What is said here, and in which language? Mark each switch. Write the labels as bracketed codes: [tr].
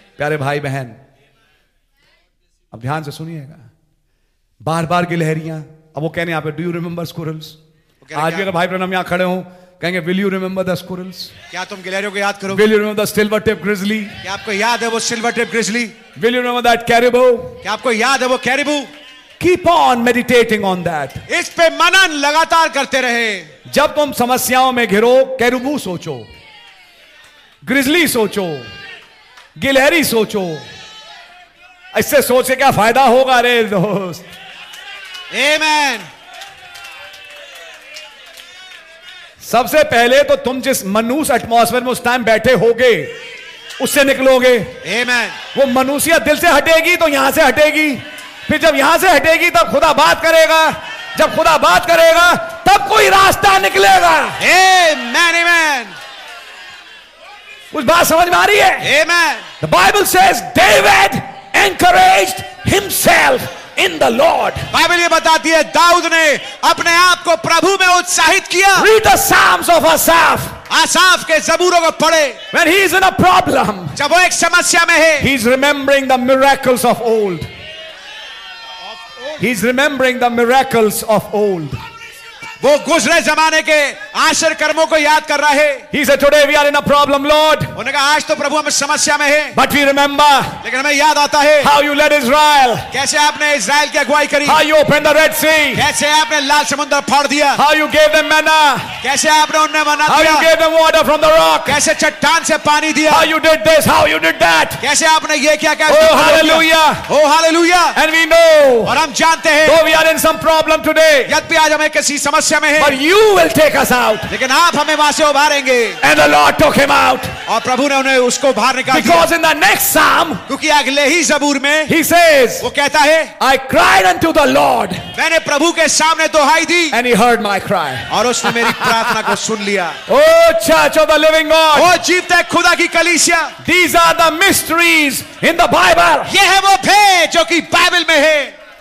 [hi] प्यारे भाई बहन, अब ध्यान से सुनिएगा. बार बार गिलहरियां. अब वो कहने यहां पे, [en] Do you remember squirrels? [hi] आज भी अगर भाई प्रणाम यहां खड़े हो, कहेंगे [en] Will you remember the squirrels? [hi] क्या तुम गिलहरियों को याद करो? [en] Will you remember the silver tip grizzly? [hi] क्या आपको याद है वो silver tip grizzly? [en] Will you remember that caribou? [hi] क्या आपको याद है वो caribou? [en] Keep on meditating on that. [hi] इस पे मनन लगातार करते रहे. जब तुम समस्याओं में घिरो, कैरिबू सोचो, ग्रिजली सोचो, गिलहरी सोचो. इससे सोच के क्या फायदा होगा रे दोस्त? [en] Amen. [hi] सबसे पहले तो तुम जिस मनुष्य एटमॉस्फेयर में उस टाइम बैठे होगे उससे निकलोगे. [en] Amen. [hi] वो मनुष्य दिल से हटेगी तो यहां से हटेगी. फिर जब यहां से हटेगी तब खुदा बात करेगा. जब खुदा बात करेगा तब कोई रास्ता निकलेगा. [en] Amen, amen. [hi] उस बात समझ में आ रही है? [en] Amen. The Bible says David encouraged himself in the Lord. [hi] Bible ये बताती है दाऊद ने अपने आप को प्रभु में उत्साहित किया. [en] Read the Psalms of Asaph. [hi] आसाफ के जबूरों को पढ़े. [en] When he is in a problem, [hi] जब वो एक समस्या में है, [en] he is remembering the miracles of old. He's remembering the miracles of old. [hi] वो गुजरे जमाने के आश्चर्य कर्मों को याद कर रहा है. [en] He said, "Today we are in a problem, Lord." [hi] उन्होंने कहा, आज तो प्रभु हम समस्या में हैं. [en] But we remember. [hi] लेकिन हमें याद आता है. [en] How you led Israel. [hi] कैसे आपने इज़राइल की अगुवाई करी. [en] How you opened the Red Sea. [hi] कैसे आपने लाल समुद्र फाड़ दिया. [en] How you gave them manna. [hi] कैसे आपने उन्हें मन्ना दिया. [en] How you gave them water from the rock. [hi] कैसे चट्टान से पानी दिया. [en] How you did this. How you did that. [hi] कैसे आपने ये किया. [en] Oh hallelujah. Oh hallelujah. And we know. [hi] और हम जानते हैं. [en] Though we are in some problem today. [hi] यद्यपि आज हमें किसी समस्या. [en] But you will take us out. [hi] लेकिन आप हमें वहां से उभारेंगे. [en] And the Lord took him out. [hi] और प्रभु ने उन्हें उसको बाहर निकाला. [en] Because in the next psalm, [hi] क्योंकि अगले ही ज़बूर में, [en] he says, [hi] वो कहता है, [en] I cried unto the Lord. [hi] मैंने प्रभु के सामने दोहाई दी. [en] And he heard my cry. [hi] और उसने मेरी प्रार्थना को सुन लिया. [en] Oh Church of the Living God. [hi] ओ जीवते खुदा की कलीसिया. [en] These are the mysteries in the Bible. [hi] ये है वो भेद जो कि बाइबल में है.